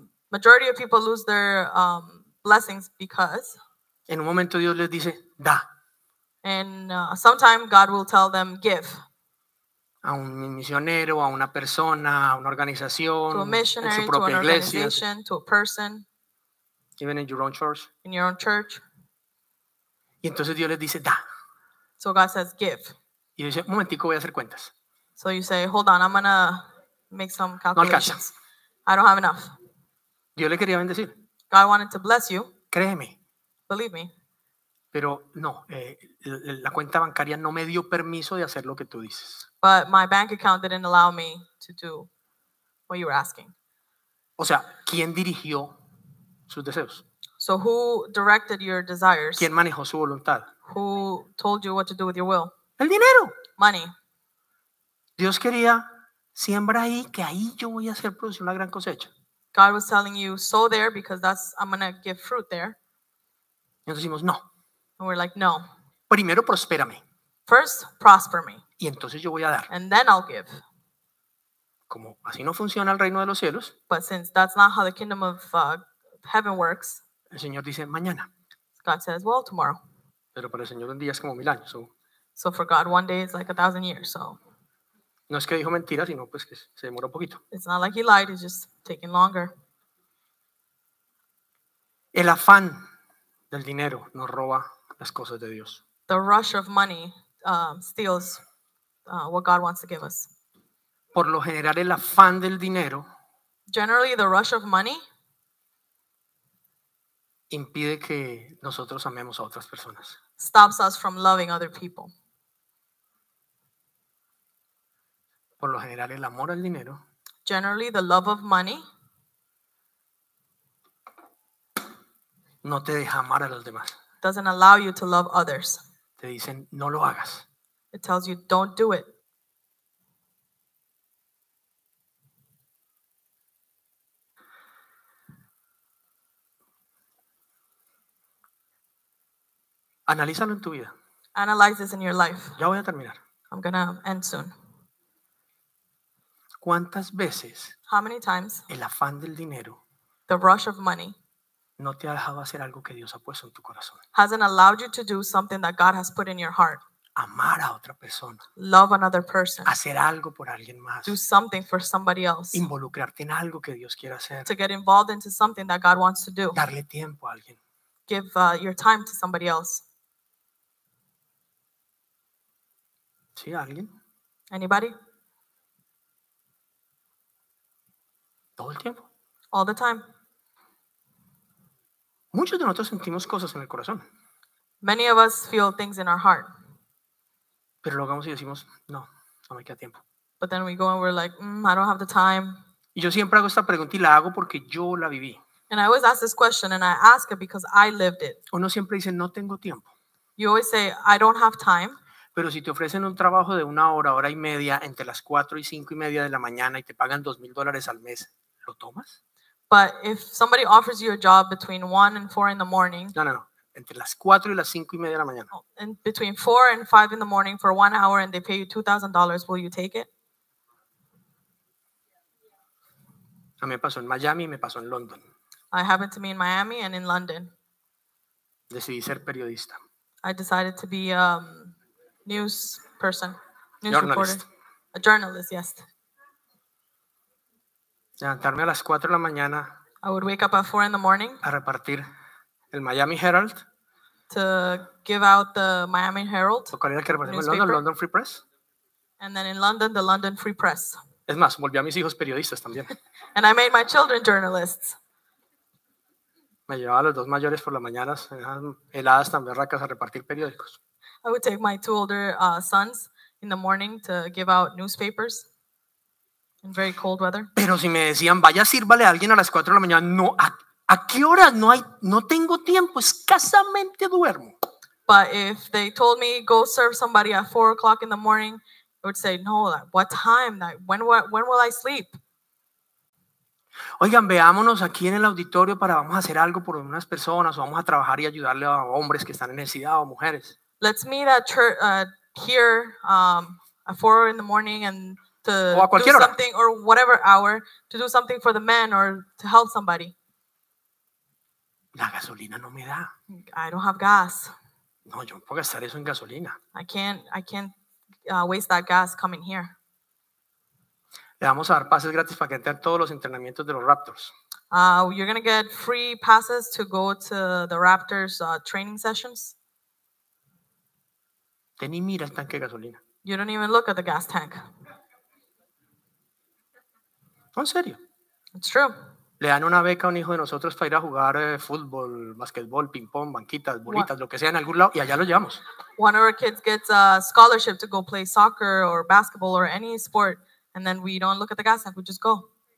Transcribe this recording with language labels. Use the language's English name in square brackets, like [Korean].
[English] Majority of people lose their blessings because. [Spanish] En un momento Dios les dice, da. [English] And sometimes God will tell them, give. [Spanish] A un misionero, a una persona, a una organización. [English] To a missionary, [Spanish] en su propia [English] to an [Spanish] iglesia. [English] Organization, to a person. Even in your own church. In your own church. [Spanish] Y entonces Dios les dice, da. [English] So God says, give. [Spanish] Y dice, un momentico, voy a hacer cuentas. [English] So you say, hold on, I'm going to make some calculations. [Spanish] No, [English] I don't have enough. [Spanish] Dios le quería bendecir. [English] God wanted to bless you. [Spanish] Créeme. [English] Believe me. [Spanish] Pero no, la cuenta bancaria no me dio permiso de hacer lo que tú dices. [English] But my bank account didn't allow me to do what you were asking. [Spanish] O sea, ¿quién dirigió sus deseos? [English] So who directed your desires? [Spanish] ¿Quién manejó su voluntad? [English] Who told you what to do with your will? [Spanish] El dinero. [English] Money. [Spanish] Dios quería, siembra ahí, que ahí yo voy a hacer producir una gran cosecha. [English] God was telling you, sow there because I'm going to give fruit there. [Spanish] Y nos decimos, no. [English] And we're like, no. [Spanish] Primero prospérame. [English] First, prosper me. [Spanish] Y entonces yo voy a dar. [English] And then I'll give. [Spanish] Como así no funciona el reino de los cielos. [English] But since that's not how the kingdom of heaven works. [Spanish] El Señor dice, mañana. [English] God says, well, tomorrow. [Spanish] Pero para el Señor un día es como mil años. [English] So. So for God, one day is like 1,000 years, so. [Spanish] No es que dijo mentira, sino pues que se demoró un poquito. [English] It's not like he lied, it's just taking longer. [Spanish] El afán del dinero nos roba las cosas de Dios. [English] The rush of money steals what God wants to give us. [Spanish] Por lo general, el afán del dinero [English] generally, the rush of money [Spanish] impide que nosotros amemos a otras personas. [English] Stops us from loving other people. [Spanish] Por lo general, el amor al dinero [English] generally, the love of money [Spanish] no te deja amar a los demás. [English] Doesn't allow you to love others. [Spanish] Te dicen, no lo hagas. [English] It tells you, don't do it. [Spanish] Analízalo en tu vida. [English] Analyze this in your life. [Spanish] Ya voy a terminar. [English] I'm gonna end soon. [Spanish] ¿Cuántas veces? [English] How many times? [Spanish] El afán del dinero. [English] The rush of money. [Spanish] No te ha dejado hacer algo que Dios ha puesto en tu corazón. [English] Hasn't allowed you to do something that God has put in your heart. [Spanish] Amar a otra persona. [English] Love another person. [Spanish] Hacer algo por alguien más. [English] Do something for somebody else. [Spanish] Involucrarte en algo que Dios quiere hacer. [English] To get involved into something that God wants to do. [Spanish] Darle tiempo a alguien. [English] Give your time to somebody else. [Spanish] ¿Sí, alguien? [English] Anybody? [Spanish] Todo el tiempo. [English] All the time. [Spanish] Muchos de nosotros sentimos cosas en el corazón. [English] Many of us feel things in our heart. [Spanish] Pero lo hagamos y decimos, no, no me queda tiempo. [English] But then we go and we're like, I don't have the time. [Spanish] Y yo siempre hago esta pregunta y la hago porque yo la viví. [English] And I always ask this question and I ask it because I lived it. [Spanish] Uno siempre dice, no tengo tiempo. [English] You always say, I don't have time. [Spanish] Pero si te ofrecen un trabajo de una hora, hora y media, entre las 4 y 5:30 de la mañana y te pagan $2,000 al mes, ¿lo tomas? [English] But if somebody offers you a job between 1 and 4 in the morning. [Spanish] No. Entre las 4 y las 5:30 de la mañana. [English] And between 4 and 5 in the morning for 1 hour and they pay you $2,000, will you take it? [Spanish] A mí me pasó en Miami y me pasó en London. [English] I happened to be in Miami and in London. [Spanish] Decidí ser periodista. [English] I decided to be a news person. News journalist. Reporter. A journalist, yes. [Spanish] Levantarme a las 4 de la mañana. [English] I would wake up at 4 in the morning. [Spanish] A repartir el Miami Herald. [English] To give out the Miami Herald. [Spanish] ¿Cuál era el que repartimos? En London, London Free Press. [English] And then in London, the London Free Press. [Spanish] Es más, volví a mis hijos periodistas también. [English] And I made my children journalists. [Spanish] Me llevaba a los dos mayores por las mañanas, heladas tan berracas, a repartir periódicos. [English] I would take my two older sons in the morning to give out newspapers in very cold weather. [Spanish] Pero si me decían, vaya, sírvale a alguien a las 4 de la mañana, no, ¿a qué hora? No tengo tiempo, escasamente duermo. [English] But if they told me, go serve somebody at 4 o'clock in the morning, I would say, no, what time? When will I sleep? [Spanish] Oigan, veámonos aquí en el auditorio para vamos a hacer algo por unas personas o vamos a trabajar y ayudarle a hombres que están en necesidad o mujeres. [English] Let's meet at church here at 4 in the morning and to do something [Spanish] hora. [English] Or whatever hour to do something for the men or to help somebody. [Spanish] La gasolina no me da. [English] I don't have gas. [Spanish] No, yo no puedo gastar eso en gasolina. [English] I can't waste that gas coming here. [Spanish] Le vamos a dar pases gratis para que entren todos los entrenamientos de los Raptors. [English] You're going to get free passes to go to the Raptors training sessions. [Spanish] Te ni mira el tanque de gasolina. [English] You don't even look at the gas tank. [Spanish] No, en serio. [English] It's true. [Spanish] Le dan una beca a un hijo de nosotros para ir a jugar fútbol, basquetbol, ping pong, banquitas, bolitas, lo que sea en algún lado y allá lo llevamos. [English] One of our kids gets a scholarship to go play soccer or basketball or any sport. And then we don't look at the gas tank, we just go.